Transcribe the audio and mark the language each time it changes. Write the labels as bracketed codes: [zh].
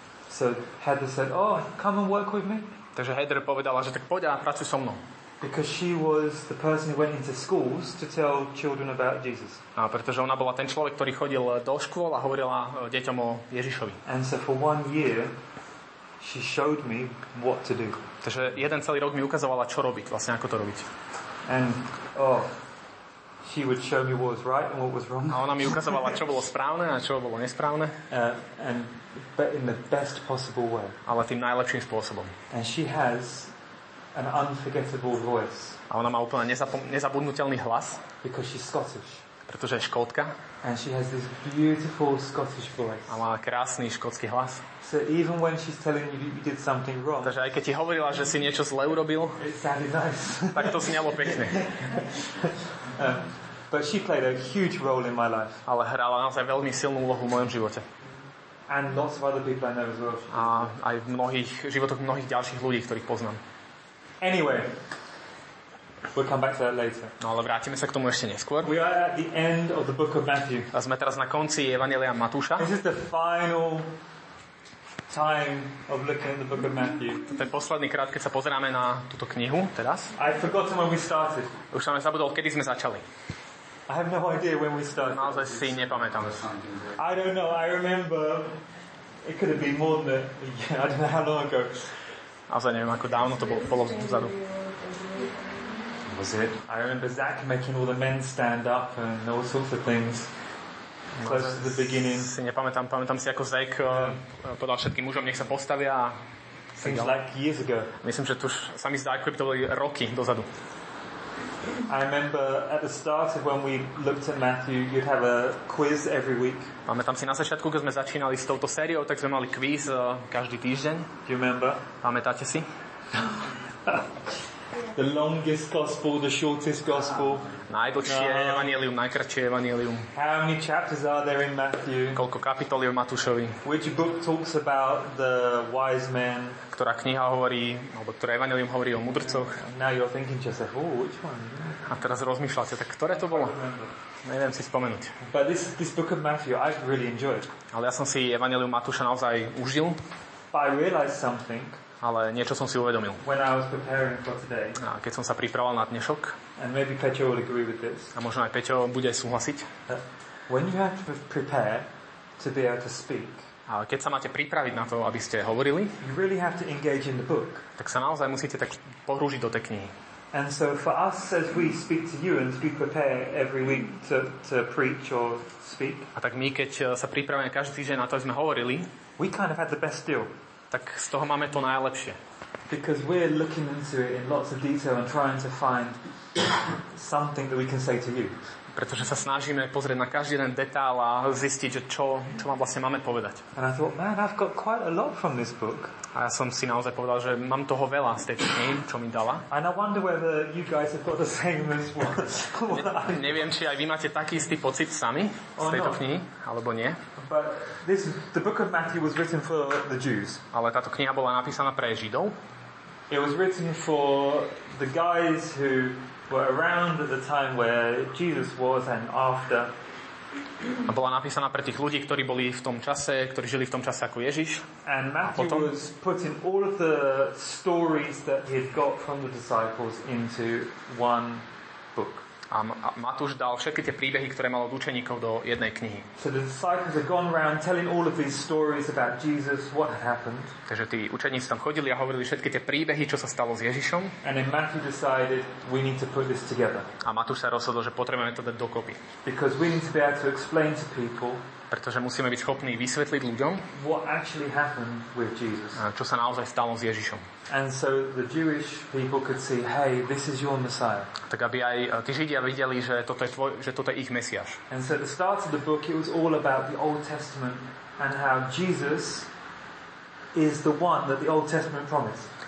[en] So Heather said, "Oh, come and work with me." [sk] Takže Heather povedala, že tak poď a pracuj so mnou. [en] Because she was the person who went into schools to tell children about Jesus. [sk] A pretože ona bola ten človek, ktorý chodil do škôl a hovorila deťom o Ježišovi. [en] And so for one year she showed me what to do. [sk] Takže jeden celý rok mi ukazovala, čo robiť, vlastne ako to robiť. [en] And oh, she would show me what was right and what was wrong. [sk] A ona mi ukazovala, čo bolo správne a čo bolo nesprávne. [en] But in the best possible way. [sk] Ale tým najlepším spôsobom. [en] And she has an unforgettable voice. [sk] A ona má úplne nezabudnutelný hlas. [en] Because she's Scottish. [sk] Pretože je Škótka. [en] And she has this beautiful Scottish voice. [sk] A má krásny škótsky hlas. [en] So even when she's telling you you did something wrong. [sk] Takže aj keď ti hovorila, že si niečo zle urobil. [en] It sounded nice. [sk] Tak to znelo pekne. [en] But she played a huge role in my life. [sk] Ale hrala naozaj veľmi silnú úlohu v mojom živote. [en] And lots of other people I know as well. [sk] A aj v mnohých životoch mnohých ďalších ľudí, ktorých poznám. [en] Anyway, we'll come back to that later. [sk] No, ale vrátime sa k tomu ešte neskôr. [en] We are at the end of the book of Matthew. [sk] A sme teraz na konci Evanjelia Matúša. [en] This is the final time of looking at the book of Matthew. [sk] To je posledný krát, keď sa pozeráme na túto knihu teraz. [en] I forgot when we started. [sk] Už som zabudol, kedy sme začali. [en] I have no idea when we started. [sk] Naozaj si nepamätám. [en] I don't know. I remember it could have been more than I don't know how long ago. [sk] Naozaj neviem, ako dávno to bolo vzadu. [en] Was it? I remember Zach making all the men stand up and all sorts of things close to the beginning. [sk] Si nepamätám, pamätám si, ako Zach podal všetkým mužom, nech sa postavia. [en] Seems like years ago. [sk] Myslím, že tu už sa mi zdá, ako by to boli roky dozadu. [en] I remember at the start of when we looked at Matthew, you'd have a quiz every week. [sk] Pamätám si na začiatku, keď sme začínali s touto sériou, tak sme mali quiz každý týždeň. [en] Do you remember? [sk] Pamätáte si? [en] The longest gospel, the shortest gospel. [sk] Najdlhšie evanjelium, najkratšie evanjelium. [en] How many chapters are there in Matthew? [sk] Koľko kapitol je v Matúšovi? [en] Which book talks about the wise men? [sk] Ktorá kniha hovorí, alebo ktoré evanjelium hovorí o mudrcoch? [en] Now you're thinking just like, oh, which one? [sk] A teraz rozmýšľate, tak ktoré to bolo? Neviem si spomenúť. [en] But this book of Matthew, I've really enjoyed. [sk] Ale ja som si evanjelium Matúša naozaj užil. [en] But I realized something. [sk] Ale niečo som si uvedomil. [en] When I was preparing for today, [sk] a keď som sa pripravoval na dnešok, [en] and maybe Peťo will agree with this, [sk] a možno aj Peťo bude aj súhlasiť, [en] when you have to prepare to be able to speak, [sk] a keď sa máte pripraviť na to, aby ste hovorili, [en] you really have to engage in the book. [sk] Tak sa naozaj musíte tak pohrúžiť do tej knihy. [en] And so for us, as we speak to you and as we prepare every week to preach or speak, [sk] a tak my, keď sa pripravíme každý týždeň na to, aby sme hovorili, [en] we kind of had the best deal. [sk] Tak z toho máme to najlepšie. [en] Because we're looking into it in lots of detail and trying to find something that we can say to you. [sk] Pretože sa snažíme pozrieť na každý jeden detail a zistiť, že čo vám vlastne máme povedať. [en] And I thought, man, I've got quite a lot from this book. [sk] A ja som si naozaj povedal, že mám toho veľa z tej knihy, čo mi dala. [en] And I wonder whether you guys have got the same as what [sk] neviem, či aj vy máte taký istý pocit sami z tejto knihy, alebo nie. [en] But the book of Matthew was written for the Jews. [sk] Ale táto kniha bola napísaná pre Židov. [en] It was written for the guys who were around at the time where Jesus was and after. [sk] A bola napísaná pre tých ľudí, ktorí boli v tom čase, ktorí žili v tom čase ako Ježiš. [en] And Matthew was putting all of the stories that he had got from the disciples into one book. [sk] A Matúš dal všetky tie príbehy, ktoré mal od učeníkov, do jednej knihy. [en] So the disciples had gone around telling all of these stories about Jesus, what had happened. [sk] Takže tí učeníci tam chodili a hovorili všetky tie príbehy, čo sa stalo s Ježišom. [en] And then Matthew decided we need to put this together. [sk] A Matúš sa rozhodol, že potrebujeme to dať dokopy. [en] Because we need to be able to explain to people. [sk] Pretože musíme byť schopní vysvetliť ľuďom, [en] what actually happened with Jesus. [sk] Čo sa naozaj stalo s Ježišom. [en] And so the Jewish people could see, hey, this is your Messiah. [sk] Tak aby aj tí Židia videli, že toto je tvoj, že toto je ich Mesiáš. [en] And so at the start of the book, it was all about the Old Testament and how Jesus is the one that the Old Testament promised.